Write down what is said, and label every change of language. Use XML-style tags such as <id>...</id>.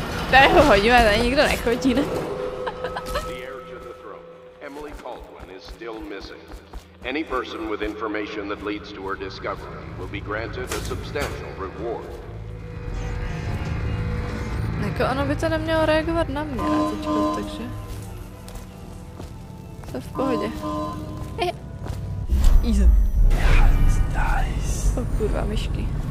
<cs>Tady ho hodíme, tady nikdo nechodí, ne?</cs> <en>The heir to the throne, Emily Caldwin, is still missing. Any person with information that leads to her discovery will be granted a substantial reward.</en> <cs>Jako ono by to nemělo reagovat na mě teďko, takže... To v pohodě.</cs> <en>Easy.</en> <cs>O kurva, myšky.</cs>